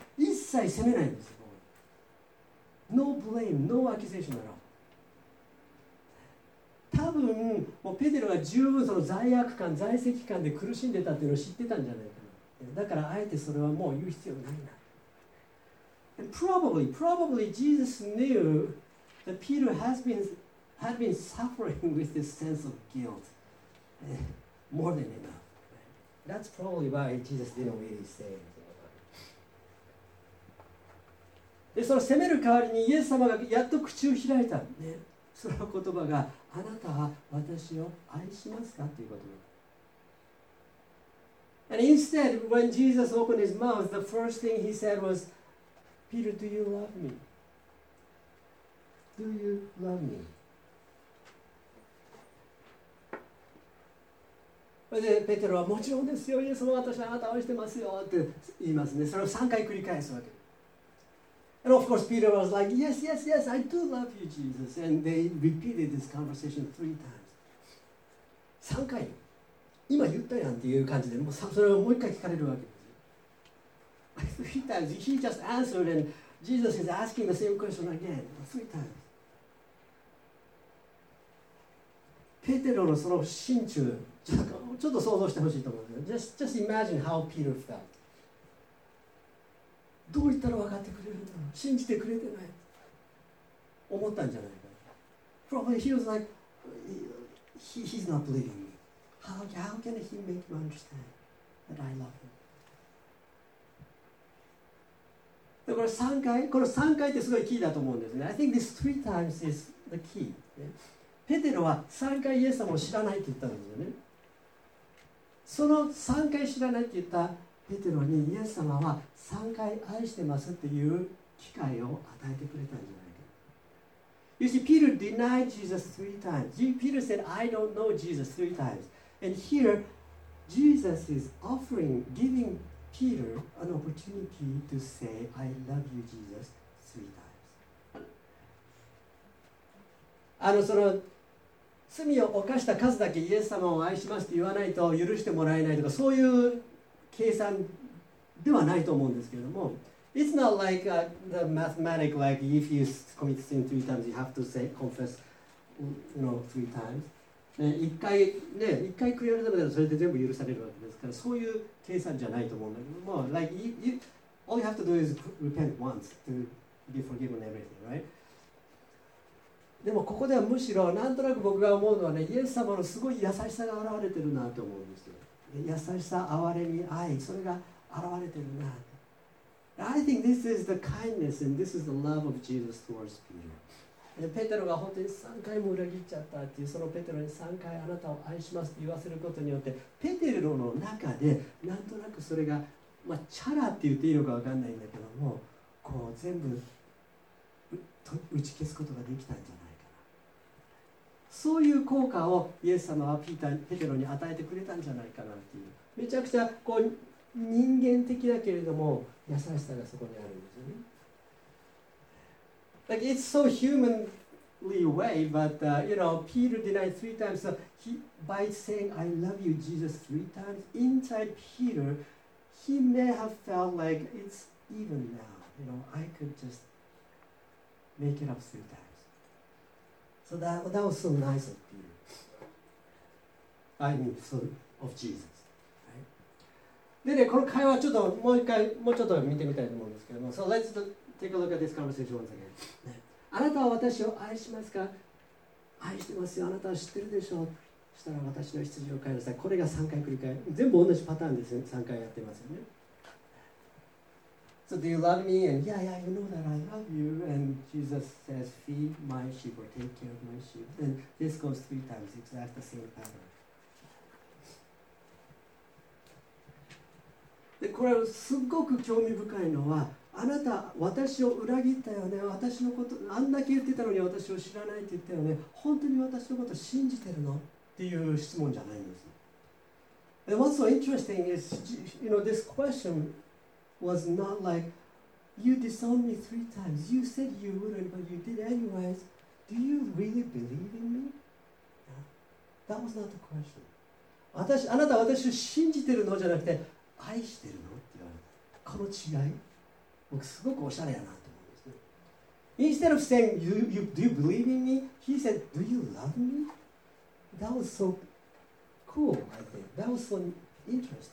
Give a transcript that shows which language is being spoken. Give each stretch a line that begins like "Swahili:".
Japanese: 一切責めないんですよ。
English: No blame, no accusation at all.
Japanese: 多分もうペテロが十分その罪悪感、罪責感で苦しんでたっていうのを知ってたんじゃないかな。だからあえてそれはもう言う必要ないな。
English: And probably Jesus knew that Peter had been suffering with this sense of guilt more than enough. That's probably why Jesus didn't really say it.
Japanese: でその責める代わりにイエス様がやっと口を開いた、ね、その言葉があなたは私を愛しますかということ。
English: And instead, when Jesus opened his mouth, the first thing he said was, Peter, do you love me? Do you love me?
Japanese: それでペテロはもちろんですよ、イエス様、私はあなたを愛してますよって言いますね。それを3回繰り返すわけ。
English: And of course, Peter was like, yes, yes, yes, I do love you, Jesus. And they repeated this conversation three times.
Japanese: 3回。今言ったやんっていう感じで、もうそれをもう一回聞かれるわけです。
English: Three times. He just answered and Jesus is asking the same question again. Three times.
Japanese: ペテロのその心中、ちょっと想像してほしいと思うんですよ。
English: Just imagine how Peter felt.
Japanese: どう言ったら分かってくれるんだろう、信じてくれてない、思ったんじゃないか。
English: Probably he was like, he's not believing me. How can he make you understand that I love him?
Japanese: で、この3回ってすごいキーだと思うんですね。
English: I think this three times is the key.
Japanese: ペテロは3回イエス様を知らないって言ったんですよね。その3回知らないって言ったペテロにイエス様は3回愛してますっていう機会を与えてくれたんじゃないか。
English: You see, Peter denied Jesus three times. Peter said, I don't know Jesus three times. And here, Jesus is giving Peter an opportunity to say, I love you, Jesus, three times.
Japanese: その罪を犯した数だけイエス様を愛しますって言わないと許してもらえないとか、そういう計算ではないと思うんですけれども、
English: It's not like the mathematics, like if you commit sin three times, you have to say confess, you know, three times.
Japanese: 一回悔い改めたらそれで全部許されるわけですから、そういう計算じゃないと思うんだけども、
English: like you, all you have to do is repent once to be forgiven everything, right?
Japanese: でもここではむしろなんとなく僕が思うのはね、イエス様のすごい優しさが現れてるなと思うんですよ。優しさ、憐れみ、愛、それが現れてるな。
English: I think this is the kindness and this is the love of Jesus towards Peter.
Japanese: ペテロが本当に3回も裏切っちゃったっていう、そのペテロに3回あなたを愛しますって言わせることによって、ペテロの中でなんとなくそれが、まあ、チャラって言っていいのか分かんないんだけども、こう全部打ち消すことができたんじゃない。そういう効果をイエス様はペテロに与えてくれたんじゃないかなっていう、めちゃくちゃこう人間的だけれども優しさがそこにあるんですよね。
English: Like it's so humanly way, but you know, Peter denied three times, so he, by saying I love you Jesus three times, inside Peter, he may have felt like it's even now, you know, I could just make it up three timesSo that was so nice of Peter. I mean, so of Jesus.、Right?
Japanese: でね、この会話ちょっともう一回、もうちょっと見てみたいと思うんですけども。
English: So let's take a look at this conversation once again.、
Japanese: ね、あなたは私を愛しますか？愛してますよ。あなたは知ってるでしょう。そしたら私の羊を飼いなさい。これが3回繰り返。全部同じパターンですね。 3回やってますよね。
English: So do you love me? And yeah, yeah, you know that I love you. And Jesus says, feed my sheep or take care of my sheep. And this goes three times, exactly the same pattern.
Japanese: で、これすっごく興味深いのは、あなた、私を裏切ったよね。私のこと、あんだけ言ってたのに私を知らないって言ったよね。本当に私のこと信じてるの？っていう質問じゃないんです。
English: And what's so interesting is, you know, this question,was not like, you disowned me three times. You said you wouldn't, but you did anyways. Do you really believe in me? That was not the question.
Japanese: あなた私を信じてるのじゃなくて、愛してるのって言われた。この違い、僕すごくおしゃれやなと思うんですね。
English: Instead of saying, do you believe in me? He said, do you love me? That was so cool, I think. That was so interesting.